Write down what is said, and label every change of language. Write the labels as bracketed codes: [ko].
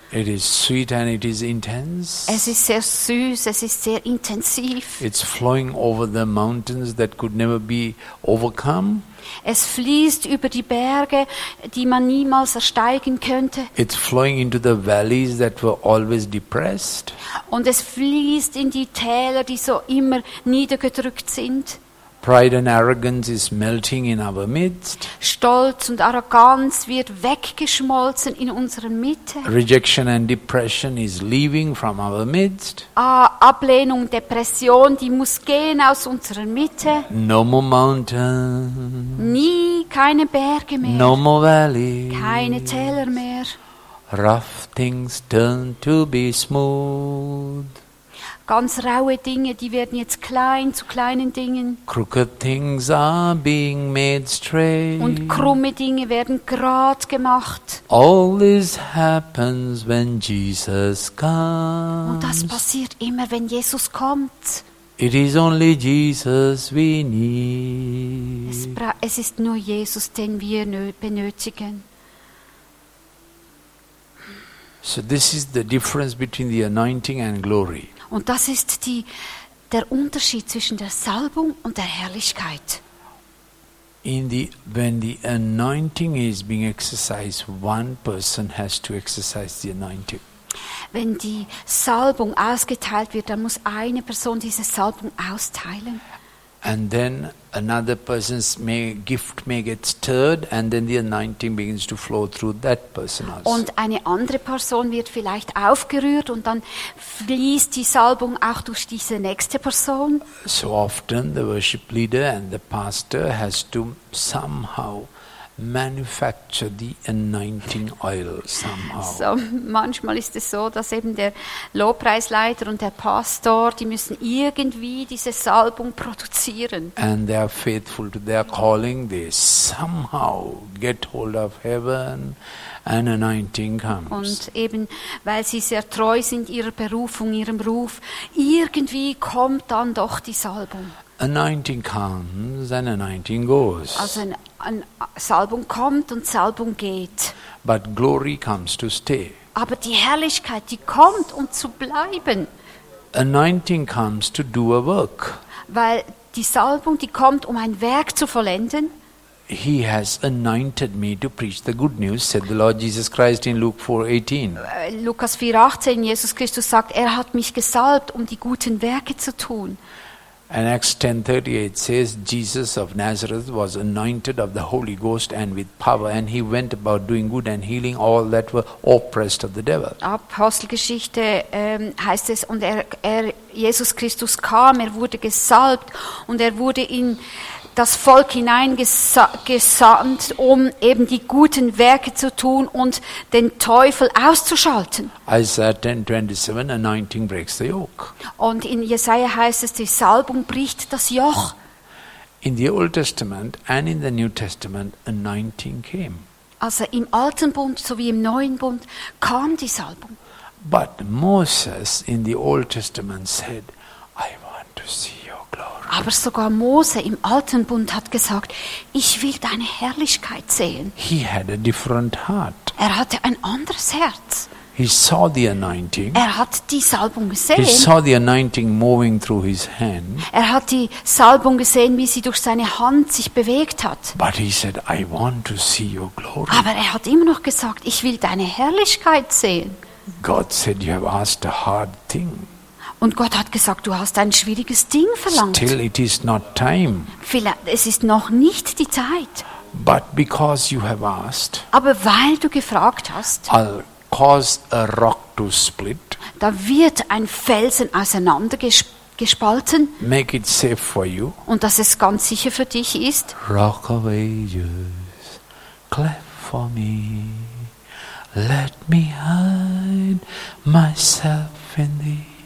[en] It is sweet and it is intense. [de] Es ist sehr süß, es ist sehr intensiv. [en] It's flowing over the mountains that could never be overcome. [de] Es fließt über die Berge, die man niemals ersteigen könnte. [en] It's flowing into the valleys that were always depressed. [de] Und es fließt in die Täler, die so immer niedergedrückt sind. [en] Pride and arrogance is melting in our midst. [de] Stolz und Arroganz wird weggeschmolzen in unserer Mitte. [en] Rejection and depression is leaving from our midst. [de] Ablehnung, Depression, die muss gehen aus unserer Mitte. [en] No more mountains. [de] Nie, keine Berge mehr. [en] No more valleys. [de] Keine Täler mehr. [en] Rough things turn to be smooth. [de] Ganz raue Dinge, die werden jetzt klein zu kleinen Dingen. [en] Crooked things are being made straight. [de] Und krumme Dinge werden gerade gemacht. [en] All this happens when Jesus comes. [de] Und das passiert immer, wenn Jesus kommt. [en] It is only Jesus we need. [de] Es ist nur Jesus, den wir benötigen. [en] So this is the difference between the anointing and glory. [de] Und das ist der Unterschied zwischen der Salbung und der Herrlichkeit. [en] When the anointing is being exercised, one person has to exercise the anointing. [de] Wenn die Salbung ausgeteilt wird, dann muss eine Person diese Salbung austeilen. [en] And then another person's gift may get stirred, and then the anointing begins to flow through that person also. [de] Und eine andere Person wird vielleicht aufgerührt, und dann fließt die Salbung auch durch diese nächste Person. [en] So often the worship leader and the pastor has to somehow manufacture the anointing oil somehow. [de] So manchmal ist es so, dass eben der Lobpreisleiter und der Pastor, die müssen irgendwie diese Salbung produzieren. [en] And they are faithful to their calling, they somehow get hold of heaven and anointing comes. [de] Und eben weil sie sehr treu sind ihrer Berufung, ihrem Ruf, irgendwie kommt dann doch die Salbung. [en] Anointing comes and anointing goes. [de] Also Salbung kommt und Salbung geht. [en] But glory comes to stay. [de] Aber die Herrlichkeit, die kommt, um zu bleiben. [en] Anointing comes to do a work. [de] Weil die Salbung, die kommt, um ein Werk zu vollenden. [en] He has anointed me to preach the good news, said the Lord Jesus Christ in Luke 4:18. [de] Lukas 4:18, Jesus Christus sagt, er hat mich gesalbt, um die guten Werke zu tun. [en] And Acts 10:38 says Jesus of Nazareth was anointed of the Holy Ghost and with power, and he went about doing good and healing all that were oppressed of the devil. [de] Apostelgeschichte heißt es, und Jesus Christus kam, er wurde gesalbt und er wurde in das Volk hineingesandt, um eben die guten Werke zu tun und den Teufel auszuschalten. [en] Isaiah 10:27, anointing breaks the yoke. [de] Und in Jesaja heißt es, die Salbung bricht das Joch. [en] In the Old Testament and in the New Testament, anointing came. [de] Also im Alten Bund sowie im Neuen Bund kam die Salbung. [en] But Moses in the Old Testament said, I want to see. [de] Aber sogar Mose im Alten Bund hat gesagt, ich will deine Herrlichkeit sehen. [en] He had a different heart. [de] Er hatte ein anderes Herz. [en] He saw the anointing. [de] Er hat die Salbung gesehen. [en] He saw the anointing moving through his hand. [de] Er hat die Salbung gesehen, wie sie durch seine Hand sich bewegt hat. [en] But he said, I want to see your glory. [de] Aber er hat immer noch gesagt, ich will deine Herrlichkeit sehen. [en] God said, you have asked a hard thing. [de] Und Gott hat gesagt, du hast ein schwieriges Ding verlangt. [en] Still it is not time. [de] Vielleicht, es ist noch nicht die Zeit. [en] But because you have asked, [de] aber weil du gefragt hast, [en] I'll cause a rock to split, [de] da wird ein Felsen auseinander gespalten, [en] make it safe for you, [de] und dass es ganz sicher für dich ist. [en] Rock of ages, clap for me, let me hide myself in thee.